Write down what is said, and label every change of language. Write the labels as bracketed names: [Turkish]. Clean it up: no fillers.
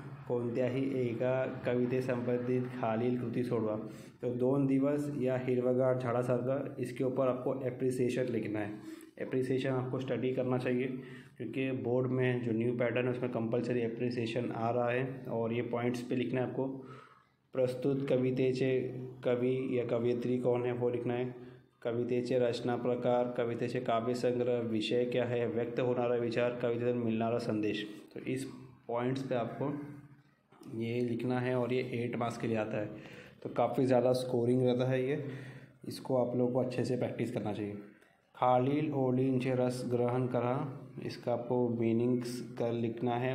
[Marathi] कोणत्याही एका कवितेसंबंधित खालील कृती सोडवा. तो दोन दिवस या हिरवगार झाडासारखं, [Hindi] इसके ऊपर आपको एप्रिसिएशन लिखना है. एप्रिसिएशन आपको स्टडी करना चाहिए, क्योंकि बोर्ड में जो न्यू पैटर्न है उसमें कंपलसरी एप्रिसिएशन आ रहा है. और ये पॉइंट्स पे लिखना है आपको. [Marathi] प्रस्तुत कवितेचे कवि या कवयित्री [Hindi] कौन है वो लिखना है. [Marathi] कवितेचे रचना प्रकार, कवितेचे काव्य संग्रह, [Hindi] विषय क्या है, [Marathi] व्यक्त होणारा विचार, कवितेतून मिळणारा संदेश. [Hindi] तो इस पॉइंट्स पे आपको ये लिखना है. और ये 8 मार्क्स के लिए आता है, तो काफ़ी ज़्यादा स्कोरिंग रहता है ये. इसको आप लोगों को अच्छे से प्रैक्टिस करना चाहिए. [Marathi] खालील ओलीन [Hindi] से रस ग्रहण करा, इसका आपको मीनिंग्स कर लिखना है.